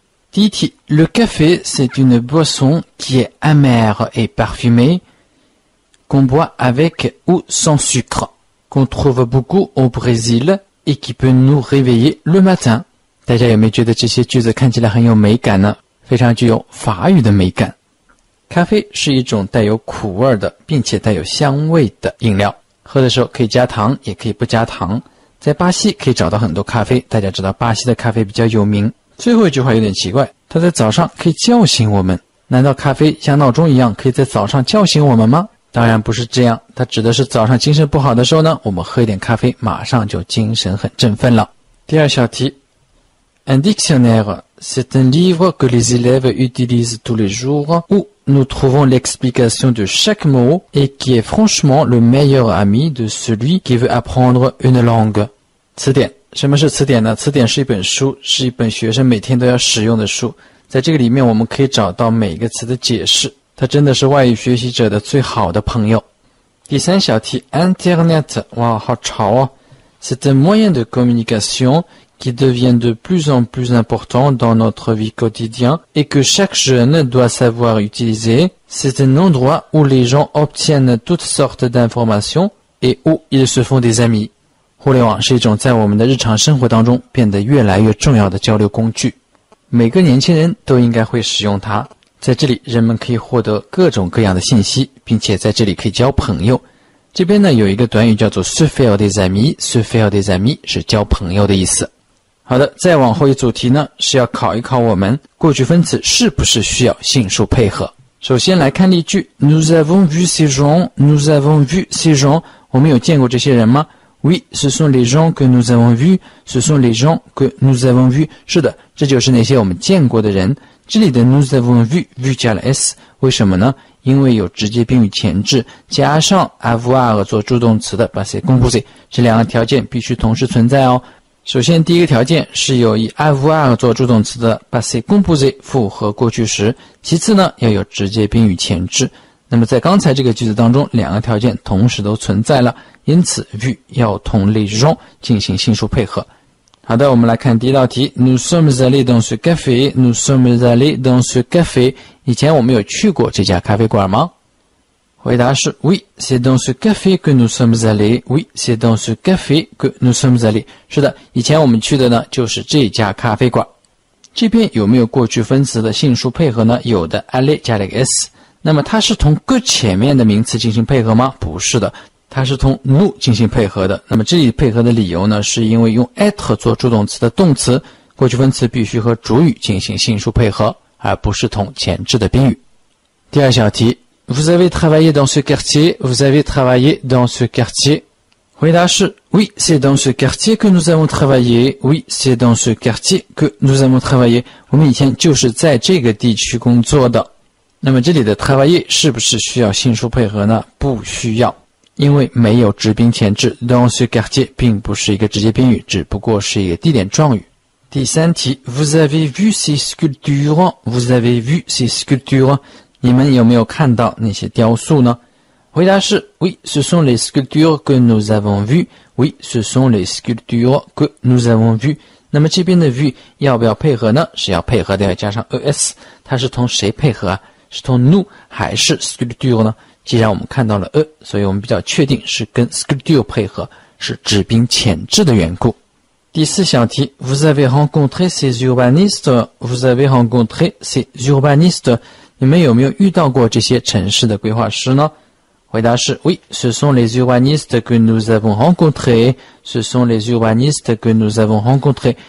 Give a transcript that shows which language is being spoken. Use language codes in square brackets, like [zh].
[zh] 第一题， [fr] Le café, c'est une boisson qui est amère et parfumée, qu'on boit avec ou sans sucre, qu'on trouve beaucoup au Brésil et qui peut nous réveiller le matin. [zh] 大家有没有觉得这些句子看起来很有美感呢？非常具有法语的美感。咖啡是一种带有苦味的，并且带有香味的饮料。喝的时候可以加糖，也可以不加糖。在巴西可以找到很多咖啡，大家知道巴西的咖啡比较有名。最后一句话有点奇怪，他在早上可以叫醒我们。难道咖啡像闹钟一样可以在早上叫醒我们吗？当然不是这样，它指的是早上精神不好的时候呢，我们喝一点咖啡马上就精神很振奋了。第二小题， [fr] Un dictionnaire, c'est un livre que les élèves utilisent tous les jours où nous trouvons l'explication de chaque mot et qui est franchement le meilleur ami de celui qui veut apprendre une langue. [zh] 词典，什么是词典呢？词典是一本书，是一本学生每天都要使用的书，在这个里面我们可以找到每个词的解释，它真的是外语学习者的最好的朋友。第三小题， Internet, 哇好潮哦， [fr] C'est un moyen de communication qui devient de plus en plus important dans notre vie quotidienne et que chaque jeune doit savoir utiliser. C'est un endroit où les gens obtiennent toutes sortes d'informations et où ils se font des amis. [zh] 互联网是一种在我们的日常生活当中变得越来越重要的交流工具，每个年轻人都应该会使用它，在这里人们可以获得各种各样的信息，并且在这里可以交朋友。这边呢有一个短语叫做 [fr] se faire des amis， se faire des amis [zh] 是交朋友的意思。好的，再往后一组题呢是要考一考我们过去分词是不是需要信数配合。首先来看例句， [fr] Nous avons vu ces gens, nous avons vu ces gens， [zh] 我们有见过这些人吗？ [fr] Oui, ce sont les gens que nous avons vus. Ce sont les gens que nous avons vus. [zh] 是的，这就是那些我们见过的人。这里的 [fr] nous avons vu, [zh] vu 加了 s， 为什么呢？因为有直接宾语前置，加上 avoir 做助动词的 passé composé， 这两个条件必须同时存在哦。首先，第一个条件是有以 avoir 做助动词的 passé composé 复合过去时；其次呢，要有直接宾语前置。那么在刚才这个句子当中，两个条件同时都存在了，因此 vu 要同 les gens 进行信数配合。好的，我们来看第一道题， [fr] Nous sommes allés dans ce café, nous sommes allés dans ce café， [zh] 以前我们有去过这家咖啡馆吗？回答是 [fr] Oui, c'est dans ce café que nous sommes allés. Oui, c'est dans ce café que nous sommes allés. [zh] 是的，以前我们去的呢就是这家咖啡馆。这边有没有过去分词的信数配合呢？有的， aller 加了个 s。那么它是同 que 前面的名词进行配合吗？不是的，它是同 nous 进行配合的。那么这里配合的理由呢，是因为用 être 做助动词的动词，过去分词必须和主语进行信数配合，而不是同前置的宾语。第二小题， [fr] Vous avez travaillé dans ce quartier? Vous avez travaillé dans ce quartier? [zh] 回答是 [fr] Oui, c'est dans ce quartier que nous avons travaillé. Oui, c'est dans ce quartier que nous avons travaillé. [zh] 我们以前就是在这个地区工作的。那么这里的 travailler 是不是需要信数配合呢？不需要，因为没有直宾前置， [fr] dans ce quartier [zh] 并不是一个直接宾语，只不过是一个地点状语。第三题， [fr] Vous avez vu ces sculptures? Vous avez vu ces sculptures? [zh] 你们有没有看到那些雕塑呢？回答是 [fr] Oui, ce sont les sculptures que nous avons vues. Oui, ce sont les sculptures que nous avons vues. [zh] 那么这边的 vu 要不要配合呢？是要配合的，要加上 es， 它是同谁配合啊？是同 nous 还是 sculpture 呢？既然我们看到了 所以我们比较确定是跟 sculpture 配合，是指宾前置的缘故。第四小题， [fr] Vous avez rencontré ces urbanistes? Vous avez rencontré ces urbanistes? [zh] 你们有没有遇到过这些城市的规划师呢？回答是 [fr] Oui, ce sont les urbanistes que nous avons rencontrés. Ce sont les urbanistes que nous avons rencontrés.